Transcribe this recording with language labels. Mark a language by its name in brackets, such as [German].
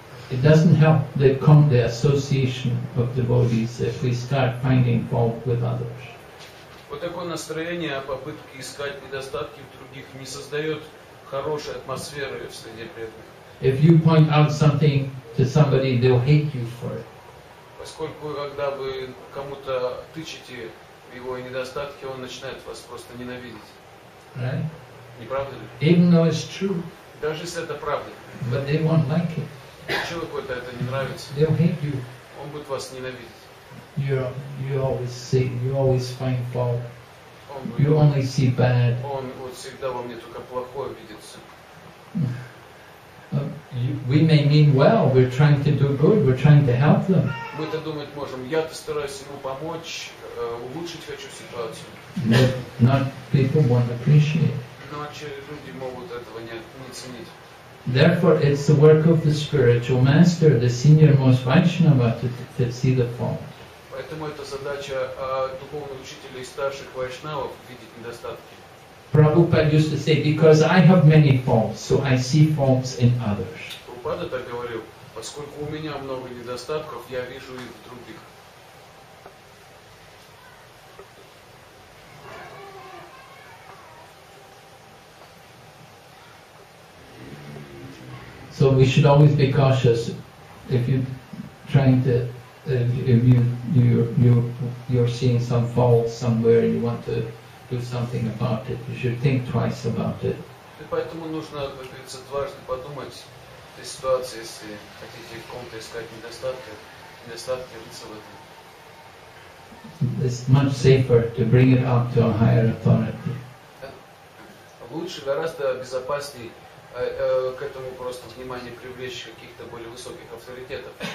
[English] It doesn't help the association of devotees if we start finding fault with others. [Russian] Вот такое настроение, попытки искать недостатки в других, не создает хорошей атмосферы в среде преданных. [English] If you point out something to somebody, they'll hate you for it. [Russian] Поскольку когда вы кому-то тычете в его недостатки, он начинает вас просто ненавидеть. [English] Right? [Russian] Не правда ли? [English] Even though it's true. [Russian] Даже если это правда. [English] But they won't like it. [Russian] Человеку-то это не нравится. [English] They'll hate you. [Russian] Он будет вас ненавидеть. [English] You always see, you always find fault. You only see bad. [Russian] Он вот всегда во мне только плохое видится. [English] We may mean well, we're trying to do good, we're trying to help them. [Russian] Мы-то думать можем, я-то стараюсь ему помочь, улучшить хочу ситуацию. [English] But not people won't appreciate. [Russian] Но люди могут этого не ценить. [English] Therefore, it's the work of the spiritual master, the senior most Vaishnava, to see the fault. [Russian] Поэтому это задача духовного учителя и старших вайшнавов видеть недостатки. [English] Prabhupada used to say, because I have many faults, so I see faults in others. [Russian] Прабхупада так говорил, поскольку у меня много недостатков, я вижу их в других. [English] So we should always be cautious if you're trying to If you're seeing some fault somewhere, you want to do something about it. You should think twice about it. [Russian] И поэтому нужно, как говорится, дважды подумать в этой ситуации, если хотите в ком-то искать недостатки рыться в этом. [English] It's much safer to bring it up to a higher authority. [Russian] Лучше, гораздо безопаснее к этому просто внимание привлечь каких-то более высоких авторитетов.